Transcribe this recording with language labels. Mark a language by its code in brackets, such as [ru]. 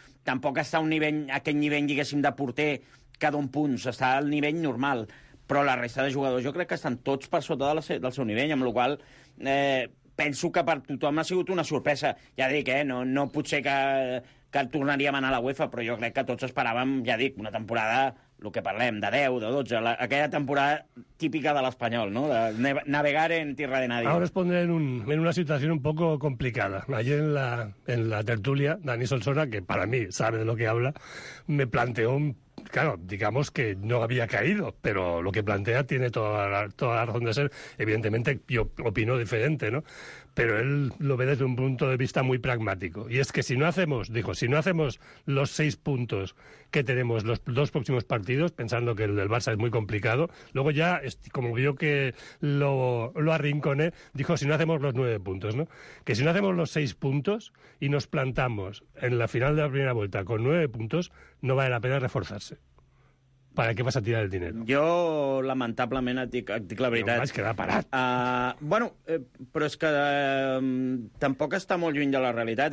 [ca] Tampoc està a aquest nivell, diguéssim, de porter que d'un punt està al nivell normal. Però la resta de jugadors jo crec que estan tots per sota del seu nivell, amb la qual cosa penso que per tothom ha sigut una sorpresa. Ja dic, no potser que tornaríem a anar a la UEFA, però jo crec que tots esperàvem, ja dic, una temporada el que parlem, de 10, de 12, aquella temporada típica de l'Espanyol, no? [es] De navegar en tierra de nadie. Ahora os pondré en una situación un poco complicada. Ayer en la tertulia, Dani Solsona, que para mí sabe de lo que habla, me planteó un... Claro, digamos que no había caído, pero lo que plantea tiene toda la razón de ser. Evidentemente, yo opino diferente, ¿no? Pero él lo ve desde un punto de vista muy pragmático. Y es que si no hacemos, dijo, si no hacemos los 6 puntos que tenemos los dos próximos partidos, pensando que el del Barça es muy complicado, luego ya, como vio que lo arrinconé, dijo, si no hacemos los 9 puntos, ¿no? Que si no hacemos los 6 puntos y nos plantamos en la final de la primera vuelta con 9 puntos, no vale la pena reforzarse. ¿Para què vas a tirar el diner? [ca] Jo, lamentablement, et dic la veritat. Jo vaig quedar parat. Però és que tampoc està molt lluny de la realitat.